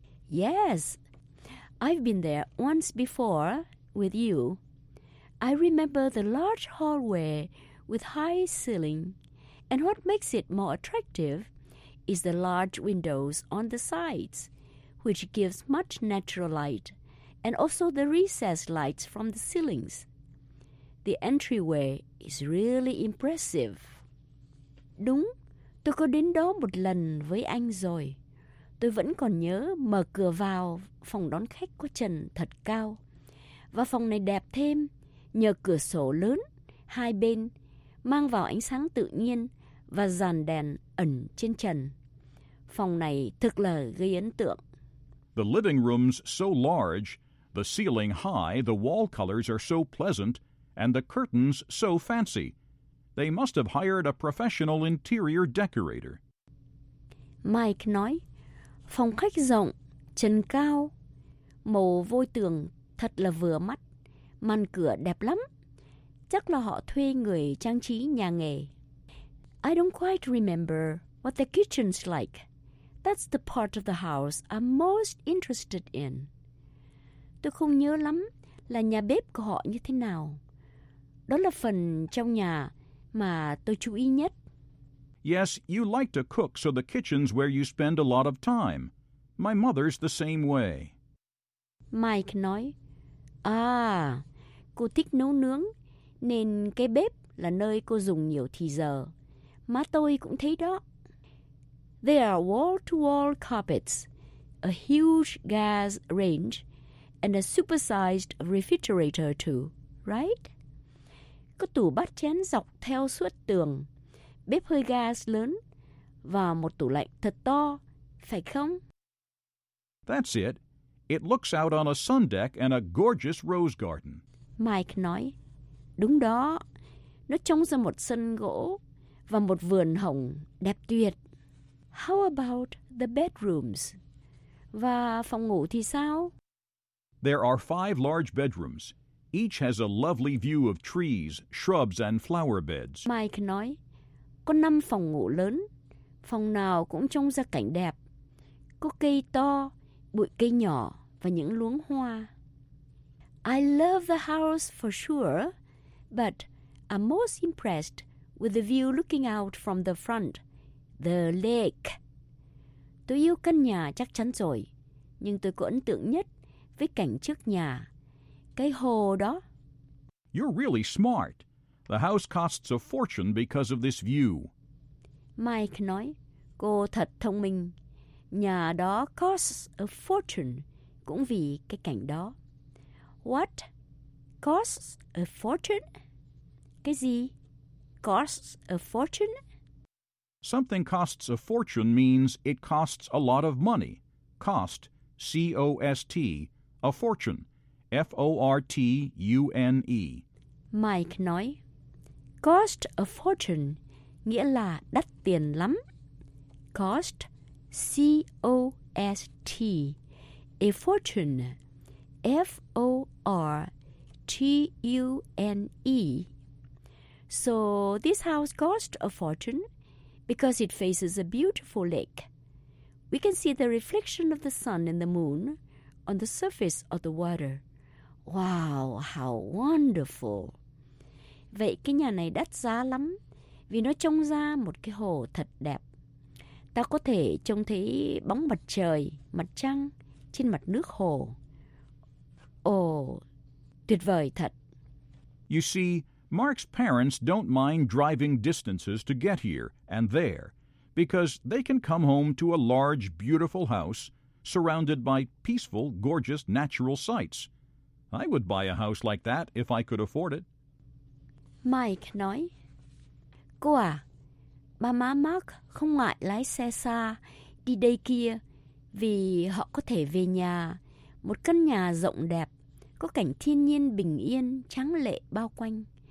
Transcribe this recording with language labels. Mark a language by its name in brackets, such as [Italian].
[English] Yes, I've been there once before with you. I remember the large hallway with high ceiling, and what makes it more attractive is the large windows on the sides, which gives much natural light, and also the recessed lights from the ceilings. The entryway is really impressive. [Vietnamese] Đúng, tôi có đến đó một lần với anh rồi. Tôi vẫn còn nhớ mở cửa vào phòng đón khách có trần thật cao. Và phòng này đẹp thêm. Nhờ cửa sổ lớn, hai bên, mang vào ánh sáng tự nhiên và dàn đèn ẩn trên trần. Phòng này thực là gây ấn tượng. [English] The living room's so large, the ceiling high, the wall colors are so pleasant, and the curtains so fancy. They must have hired a professional interior decorator. [Vietnamese] Mike nói, phòng khách rộng, trần cao, màu vôi tường thật là vừa mắt. Màn cửa đẹp lắm. Chắc là họ thuê người trang trí nhà nghề. [English] I don't quite remember what the kitchen's like. That's the part of the house I'm most interested in. [Vietnamese] Tôi không nhớ lắm là nhà bếp của họ như thế nào. Đó là phần trong nhà mà tôi chú ý nhất. [English] Yes, you like to cook, so the kitchen's where you spend a lot of time. My mother's the same way. [Vietnamese] Mike nói, À, cô thích nấu nướng, nên cái bếp là nơi cô dùng nhiều thì giờ. Má tôi cũng thấy đó. [English] There are wall-to-wall carpets, a huge gas range, and a supersized refrigerator too, right? [Vietnamese] Có tủ bát chén dọc theo suốt tường, bếp hơi gas lớn, và một tủ lạnh thật to, phải không? [English] That's it. It looks out on a sun deck and a gorgeous rose garden. [Vietnamese] Mike nói, đúng đó, nó trông ra một sân gỗ và một vườn hồng đẹp tuyệt. [English] How about the bedrooms? [Vietnamese] Và phòng ngủ thì sao? [English] There are 5 large bedrooms. Each has a lovely view of trees, shrubs, and flower beds. [Vietnamese] Mike nói, có 5 phòng ngủ lớn. Phòng nào cũng trông ra cảnh đẹp. Có cây to, bụi cây nhỏ và những luống hoa. [English] I love the house for sure, but I'm most impressed with the view looking out from the front, the lake. [Vietnamese] Tôi yêu căn nhà chắc chắn rồi, nhưng tôi có ấn tượng nhất với cảnh trước nhà, cái hồ đó. [English] You're really smart. The house costs a fortune because of this view. [Vietnamese] Mike nói, cô thật thông minh. Nhà đó [English] costs a fortune, [Vietnamese] cũng vì cái cảnh đó. [English] What? Costs a fortune? [Vietnamese] Cái gì? [English] Costs a fortune? Something costs a fortune means it costs a lot of money. Cost, C-O-S-T, a fortune, F-O-R-T-U-N-E. [Vietnamese] Mike nói, cost a fortune nghĩa là đắt tiền lắm. Cost, C-O-S-T, a fortune, F-O-R-T-U-N-E. [English] So this house cost a fortune because it faces a beautiful lake. We can see the reflection of the sun and the moon on the surface of the water. Wow, how wonderful! [Vietnamese] Vậy cái nhà này đắt giá lắm vì nó trông ra một cái hồ thật đẹp. Ta có thể trông thấy bóng mặt trời, mặt trăng trên mặt nước hồ. Tuyệt vời thật. [English] You see, Mark's parents don't mind driving distances to get here and there because they can come home to a large, beautiful house surrounded by peaceful, gorgeous natural sights. I would buy a house like that if I could afford it. [Vietnamese] Mike nói, Cô à, ba má Mark không ngại lái xe xa đi đây kia vì họ có thể về nhà, một căn nhà rộng đẹp, có cảnh thiên nhiên bình yên, trắng lệ bao quanh.